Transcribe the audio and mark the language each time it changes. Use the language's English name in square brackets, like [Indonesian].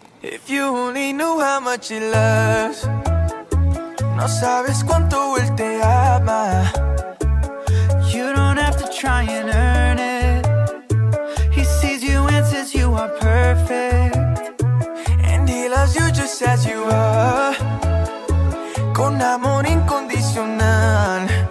[English] If you only knew how much he loves. [Spanish] No sabes cuánto él te ama. [English] You don't have to try and earn it. He sees you and says you are perfect. And he loves you just as you are. [Spanish] Con amor incondicional.